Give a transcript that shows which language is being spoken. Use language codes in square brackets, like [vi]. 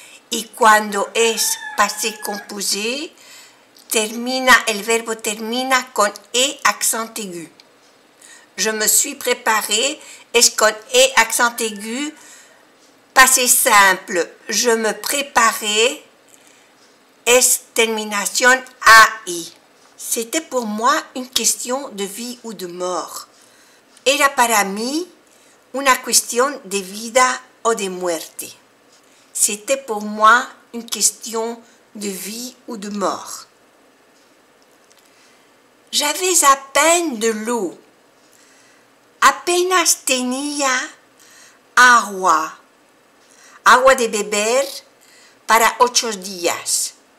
[es] Y cuando es passé composé, el verbo termina con E accent aigu. [fr] Je me suis préparé, [es] es con E accent aigu. [fr] Passé simple, je me préparais, [es] es terminación AI. [fr] C'était pour moi une question de vie ou de mort. [es] Era para mí una cuestión de vida o de muerte. [fr] C'était pour moi une question de vie ou de mort. J'avais à peine de l'eau. [es] Apenas tenía agua. Agua de beber para 8 días.